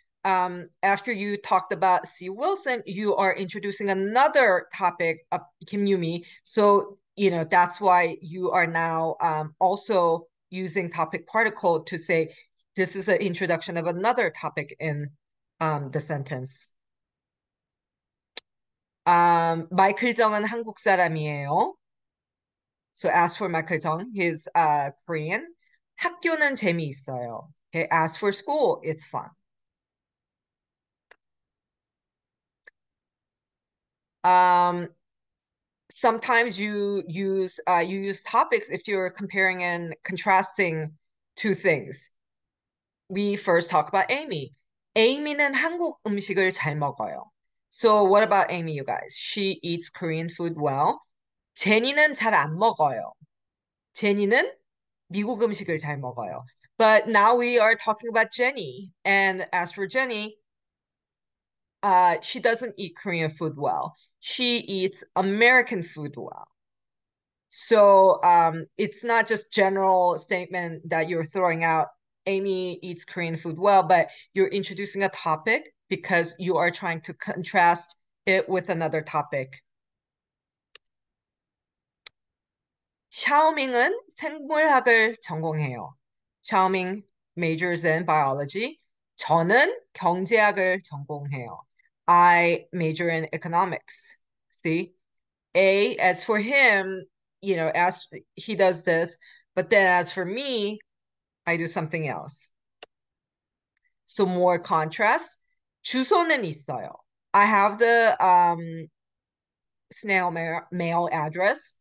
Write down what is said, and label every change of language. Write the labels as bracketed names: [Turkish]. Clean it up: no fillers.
[English] After you talked about C. Wilson, you are introducing another topic of Kim Yumi. So, you know, that's why you are now also using topic particle to say this is an introduction of another topic in the sentence. [Korean] 마이클 정은 한국 사람이에요. [English] So ask for Michael Jung, he's Korean. [Korean] 학교는 재미있어요. [English] Okay, as for school, it's fun. Sometimes you use topics if you're comparing and contrasting two things. We first talk about Amy. [Korean] Amy는 한국 음식을 잘 먹어요. [English] So what about Amy, you guys? She eats Korean food well. [Korean] 제니는 잘안 먹어요. 제니는 미국 음식을 잘 먹어요. [English] But now we are talking about Jenny. And as for Jenny, she doesn't eat Korean food well. She eats American food well. So it's not just general statement that you're throwing out, Amy eats Korean food well, but you're introducing a topic because you are trying to contrast it with another topic. [Korean] 샤오밍은 생물학을 전공해요. [English] 샤오밍 majors in biology. [Korean] 저는 경제학을 전공해요. [English] I major in economics. See? A, as for him, you know, as he does this, but then as for me, I do something else. So more contrast. [Korean] 주소는 있어요. [English] I have the snail mail address.